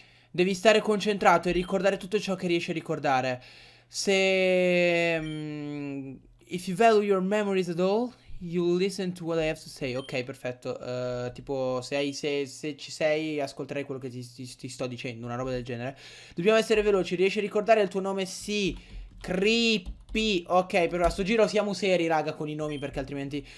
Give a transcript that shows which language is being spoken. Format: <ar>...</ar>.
<it>Devi stare concentrato e ricordare tutto ciò che riesci a ricordare. Se...</it> <en>if you value your memories at all, you listen to what I have to say.</en> <it>Ok, perfetto. Tipo, se ci sei, ascolterai quello che ti sto dicendo. Una roba del genere. Dobbiamo essere veloci. Riesci a ricordare il tuo nome? Sì. Creepy. Ok, però a sto giro siamo seri, raga, con i nomi, perché altrimenti...</it>